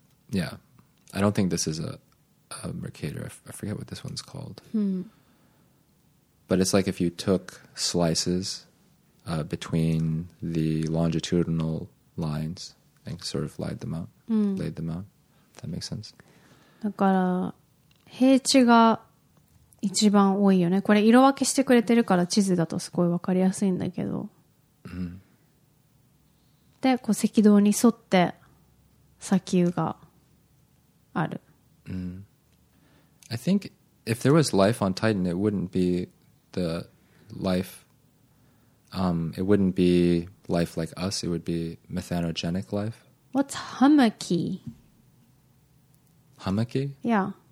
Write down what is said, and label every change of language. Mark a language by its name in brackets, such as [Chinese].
[English] yeah. I don't think this is a Mercator, I forget what this one's called. But it's like if you took slices between the longitudinal lines and sort of laid them out. That makes sense. [Japanese] だから平地が一番多いよね。これ色分けしてくれてるから地図だとすごい分かりやすいんだけど。で、こう赤道に沿って砂丘がある。 [English] I think if there was life on Titan, it wouldn't be the life. It wouldn't be life like us. It would be methanogenic life. What's hummocky? Hummocky? Yeah.